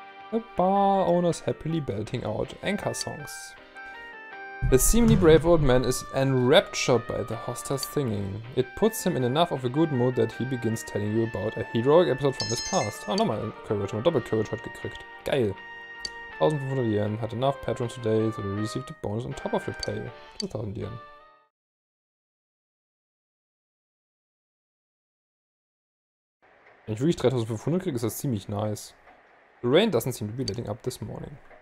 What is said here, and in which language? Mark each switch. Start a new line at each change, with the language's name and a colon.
English: The bar owner's happily belting out anchor songs. The seemingly brave old man is enraptured by the hostess singing. It puts him in enough of a good mood that he begins telling you about a heroic episode from his past.
German: Oh, nochmal Courage, nochmal Double Courage hat gekriegt. Geil.
English: 1500 Yen, had enough patrons today, so you received a bonus on top of your pay. 2000 Yen.
German: Wenn ich wirklich 3500 kriege, ist das ziemlich nice.
English: The rain doesn't seem to be letting up this morning.